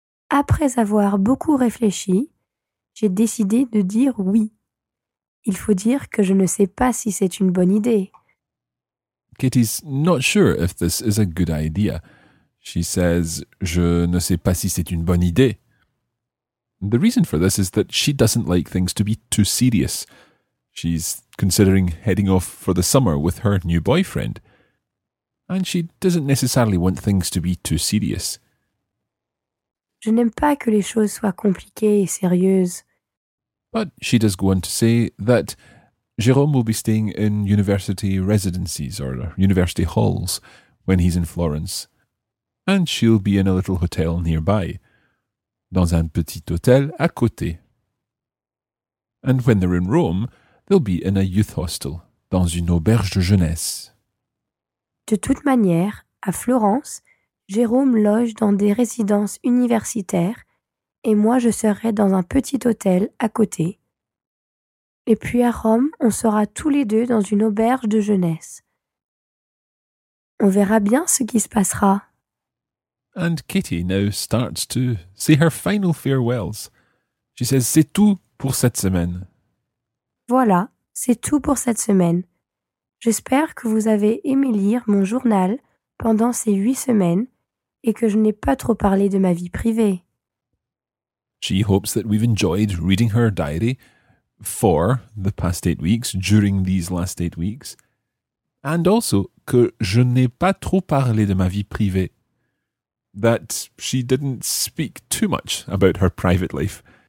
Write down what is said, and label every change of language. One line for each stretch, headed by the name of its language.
French: Après avoir beaucoup réfléchi, j'ai décidé de dire oui. Il faut dire que je ne sais pas si c'est une bonne idée.
English: Katie's not sure if this is a good idea. She says,
French: je ne sais pas si c'est une bonne idée.
English: The reason for this is that she doesn't like things to be too serious. She's considering heading off for the summer with her new boyfriend. And she doesn't necessarily want things to be too serious. Je n'aime pas que les choses soient compliquées et sérieuses. But she does go on to say that Jérôme will be staying in university residences or university halls when he's in Florence. And she'll be in a little hotel nearby,
French: dans un petit hôtel à côté.
English: And when they're in Rome, they'll be in a youth hostel,
French: dans une auberge de jeunesse. De toute manière, à Florence, Jérôme loge dans des résidences universitaires et moi je serai dans un petit hôtel à côté. Et puis à Rome, on sera tous les deux dans une auberge de jeunesse. On verra bien ce qui se passera.
English: And Kitty now starts to say her final farewells. She says,
French: c'est tout pour cette semaine. Voilà, c'est tout pour cette semaine. J'espère que vous avez aimé lire mon journal pendant ces 8 semaines et que je n'ai pas trop parlé de ma vie privée.
English: She hopes that we've enjoyed reading her diary for the past 8 weeks, during these last 8 weeks. And also,
French: que je n'ai pas trop parlé de ma vie privée.
English: That she didn't speak too much about her private life.